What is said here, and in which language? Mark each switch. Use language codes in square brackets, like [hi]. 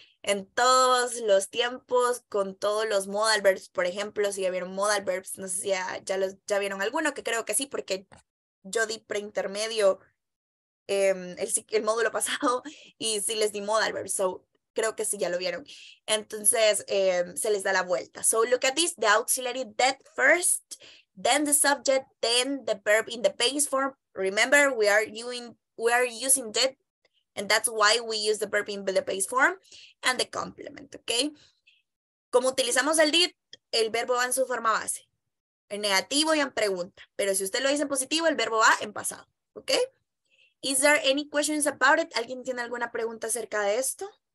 [es] En todos los tiempos, con todos los modal verbs, por ejemplo, si ya vieron modal verbs, no sé si ya vieron alguno, que creo que sí, porque yo di preintermedio el módulo pasado y sí les di modal verbs. So, creo que sí ya lo vieron. Entonces, se les da la vuelta. [en] So, look at this, the auxiliary did first. Then the subject, then the verb in the base form. Remember, we are using did And that's why we use the verb in the base form and the complement, okay? [es] Como utilizamos el did, el verbo va en su forma base. En negativo y en pregunta. Pero si usted lo dice en positivo, el verbo va en pasado, okay? [en] Is there any questions about it? [es] ¿Alguien tiene alguna pregunta acerca de esto?